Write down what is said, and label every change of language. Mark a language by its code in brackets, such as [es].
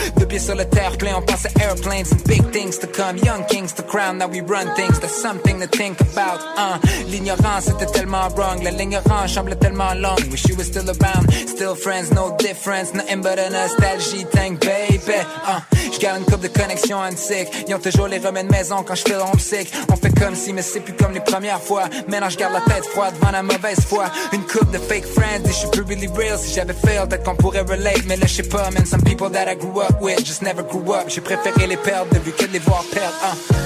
[fr] De pieds sur le terre-plein, on passe à airplanes. [en] And big things to come, young kings to crown. Now we run things, that's something to think about. [fr] L'ignorance était tellement wrong. La ligne orange semblait tellement longue. [en] Wish you were still around, still friends, no difference. Nothing but a nostalgie tank, baby. [fr] J'garde une couple de connexion antique. Ils ont toujours les remèdes maison quand j'fais l'homme sick. On fait comme si, mais c'est plus comme les premières fois. Maintenant j'garde la tête froide devant la mauvaise foi. Une couple de fake friends, [en] this should be really real. [fr] Si j'avais failed, peut-être qu'on pourrait relate. Mais là j'sais pas, man, some people that I grew up with just never grew up. J'ai préféré les perdre de vue que de les voir perdre.